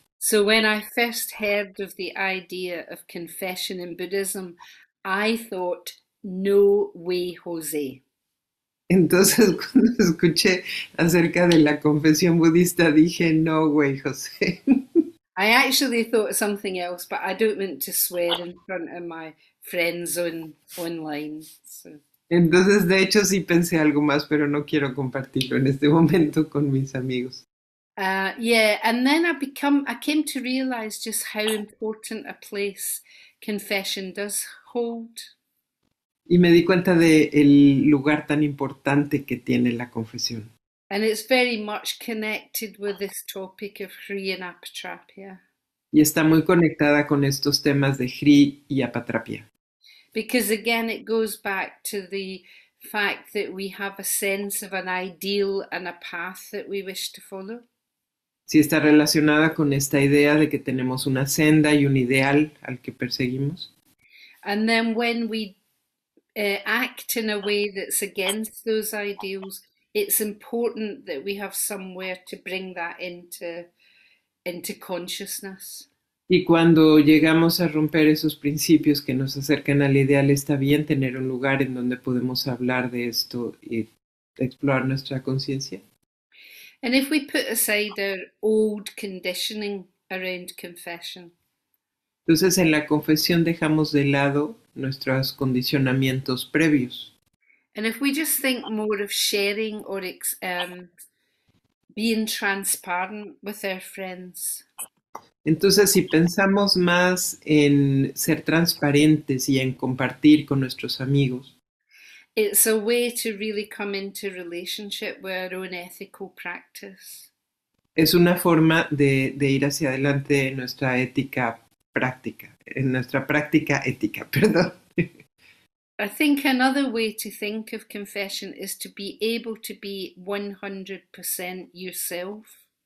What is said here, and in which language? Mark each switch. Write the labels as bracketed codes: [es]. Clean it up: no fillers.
[en] So when I first heard of the idea of confession in Buddhism, I thought, no way, Jose. [es] Entonces, cuando escuché acerca de la confesión budista, dije, no, güey, José. [en] I actually thought something else, but I don't want to swear in front of my friends online. So. [es] Entonces, de hecho, sí pensé algo más, pero no quiero compartirlo en este momento con mis amigos. [en] Yeah, and then I came to realize just how important a place confession does hold. [es] Y me di cuenta del lugar tan importante que tiene la confesión. [en] And it's very much connected with this topic of hri and apatrapya. [es] Y está muy conectada con estos temas de Hri y apatrapya. [en] Because again, it goes back to the fact that we have a sense of an ideal and a path that we wish to follow. [es] Sí, está relacionada con esta idea de que tenemos una senda y un ideal al que perseguimos. [en] And then when we act in a way that's against those ideals, it's important that we have somewhere to bring that into consciousness. [es] Y cuando llegamos a romper esos principios que nos acercan al ideal, está bien tener un lugar en donde podemos hablar de esto y explorar nuestra conciencia. [en] And if we put aside our old conditioning around confession. [es] Entonces, en la confesión dejamos de lado nuestros condicionamientos previos. [en] And if we just think more of sharing or being transparent with our friends. [es] Entonces, si pensamos más en ser transparentes y en compartir con nuestros amigos, [en] it's a way to really come into relationship with our own ethical practice. [es] Es una forma de ir hacia adelante en nuestra ética práctica, en nuestra práctica ética, perdón. [en] I think another way to think of confession is to be able to be 100% yourself.